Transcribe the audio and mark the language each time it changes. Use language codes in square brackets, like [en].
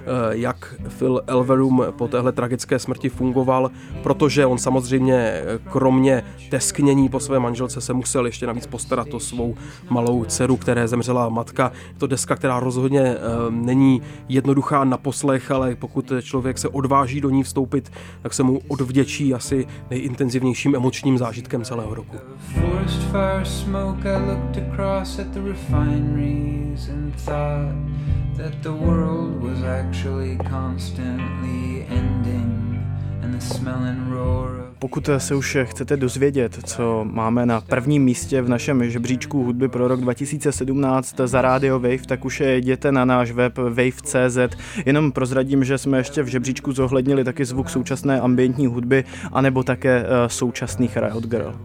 [cs] jak Phil Elverum po téhle tragické smrti fungoval, protože on samozřejmě kromě tesknění po své manželce se musel ještě navíc postarat o svou malou dceru, které zemřela matka. Je to deska, která rozhodně není jednoduchá na poslech, ale pokud člověk se odváží do ní vstoupit, tak se mu odvděčí asi nejintenzivnějším emočním zážitkem celého roku. [en] Forest fire smoke, I looked across at the refineries and thought that the world was actually constantly ending and the smell and roar. [cs] Pokud se už chcete dozvědět, co máme na prvním místě v našem žebříčku hudby pro rok 2017 za Radio Wave, tak už jděte na náš web wave.cz. Jenom prozradím, že jsme ještě v žebříčku zohlednili taky zvuk současné ambientní hudby, anebo také současných Riot Girl.